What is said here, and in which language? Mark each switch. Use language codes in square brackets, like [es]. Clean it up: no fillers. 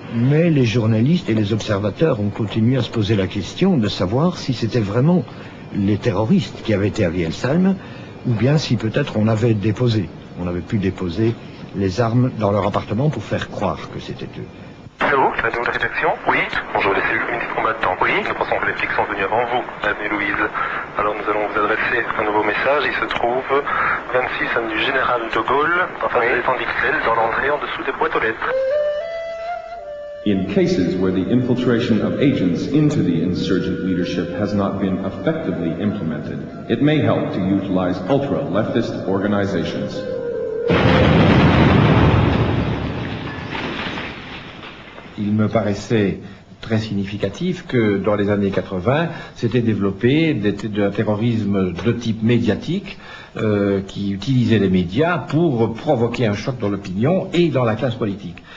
[fr] Mais les journalistes et les observateurs ont continué à se poser la question de savoir si c'était vraiment les terroristes qui avaient été à Vielsalm ou bien si peut-être on avait pu déposer les armes dans leur appartement pour faire croire que c'était eux. Allô, la nouvelle rédaction? Oui. Bonjour, les cellules communistes combattants. Oui. Nous pensons que les flics sont venus avant vous, Madame Louise. Alors nous allons vous adresser un nouveau message. Il se trouve 26 avenue Général de Gaulle, en face de l'étang d'Ixelles, dans l'entrée en dessous des boîtes aux lettres. [en] In cases where the infiltration of agents into the insurgent leadership has not been effectively implemented, it may help to utilize ultra-leftist organizations. [fr] Il me paraissait très significatif que dans les années 80, s'était développé un terrorisme de type médiatique qui utilisait les médias pour provoquer un choc dans l'opinion et dans la classe politique.